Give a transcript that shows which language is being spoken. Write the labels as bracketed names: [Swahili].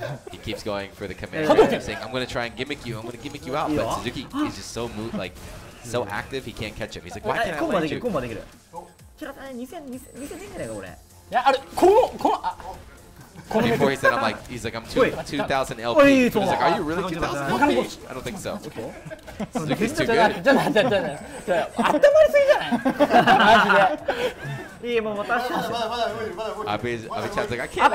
[English] He keeps going for the command grab, saying, I'm going to try and gimmick you, I'm going to gimmick you out. But Suzuki is just so moved, like, so active, he can't catch him. He's like, why can't I land you? [Japanese] コンボできる。キャラ、2000年ぐらいか、これ。いや、あれ、この、 [English] before he said, I'm like, he's like, I'm 2,000 LP. He was like, are you really 2,000 LP? I don't think so. Okay. He's too good. I'll be chatting, like, I can't.